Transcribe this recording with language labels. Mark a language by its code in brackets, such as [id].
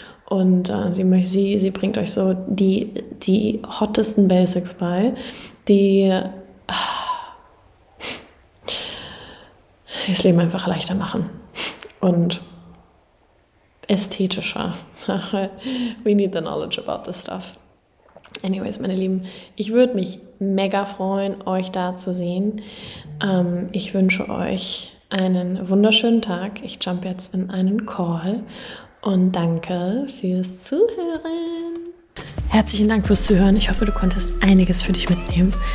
[de] Und sie bringt euch so die hottesten Basics bei, die das Leben einfach leichter machen und ästhetischer. [en] We need the knowledge about this stuff. [de] Anyways, meine Lieben, ich würde mich mega freuen, euch da zu sehen. Ich wünsche euch einen wunderschönen Tag. Ich jump jetzt in einen Call und danke fürs Zuhören. Herzlichen Dank fürs Zuhören. Ich hoffe, du konntest einiges für dich mitnehmen.